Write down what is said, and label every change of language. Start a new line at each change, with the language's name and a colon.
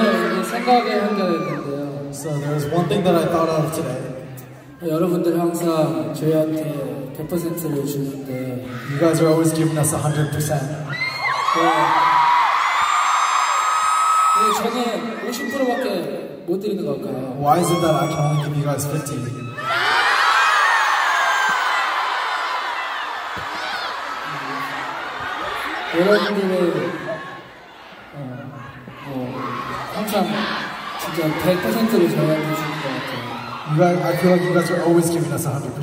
English: So there's one thing that I thought of today.
Korean: 여러분들 항상 저희한테 100%를 주는데
English: You guys are always giving us 100%
Korean: 근데 저는 50%밖에 못 드리는 것 같아요
English: Why is it that I can only give you guys 50?
Korean: 여러분들의 항상 진짜 100%를 저희한테 주는 것 같아요
English: You guys, I feel like you guys are always giving us 100%.